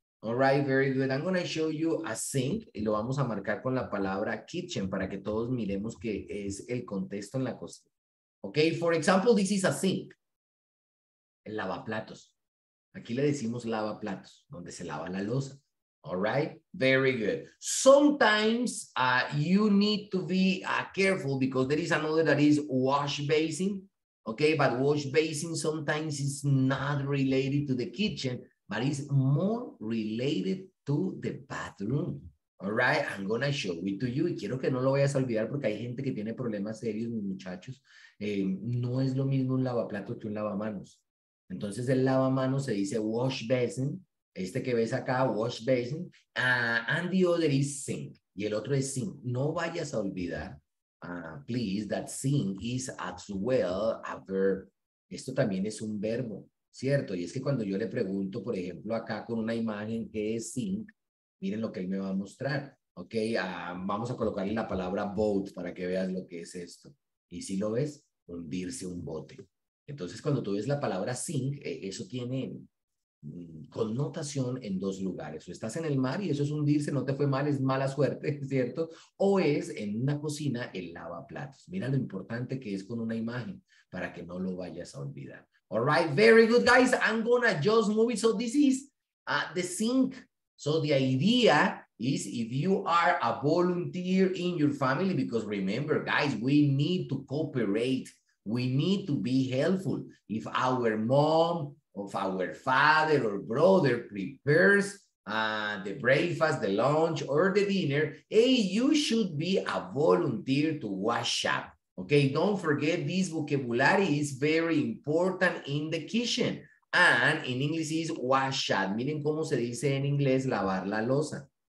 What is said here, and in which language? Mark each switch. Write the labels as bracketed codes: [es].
[en] All right, very good. I'm going to show you a sink [es] y lo vamos a marcar con la palabra kitchen para que todos miremos que es el contexto en la cocina. [en] Okay, for example, this is a sink. El lavaplatos. [es] Aquí le decimos lavaplatos, donde se lava la loza. [en] All right, very good. Sometimes you need to be careful because there is another that is wash basin. Okay, but wash basin sometimes is not related to the kitchen, but it's more related to the bathroom. All right, I'm gonna show it to you. [es] Y quiero que no lo vayas a olvidar porque hay gente que tiene problemas serios, mis muchachos. No es lo mismo un lavaplato que un lavamanos. Entonces, el lavamanos se dice wash basin. Este que ves acá, wash basin. [en] And the other is sink. [es] Y el otro es sink. No vayas a olvidar, [en] please, that sink is as well a verb. [es] Esto también es un verbo. Cierto, y es que cuando yo le pregunto, por ejemplo, acá con una imagen que es sink, miren lo que él me va a mostrar, ¿ok? Vamos a colocarle la palabra boat para que veas lo que es esto. Y si lo ves, hundirse un bote. Entonces, cuando tú ves la palabra sink, eso tiene connotación en dos lugares. O estás en el mar y eso es hundirse, no te fue mal, es mala suerte, ¿cierto? O es en una cocina el lavaplatos. Mira lo importante que es con una imagen para que no lo vayas a olvidar. [en] All right, very good, guys. I'm gonna just move it. So this is the sink. So the idea is if you are a volunteer in your family, because remember, guys, we need to cooperate. We need to be helpful. If our mom or our father or brother prepares the breakfast, the lunch, or the dinner, hey, you should be a volunteer to wash up. Okay, don't forget this vocabulary is very important in the kitchen. And in English is wash up. [es] Miren cómo se dice en inglés lavar la loza.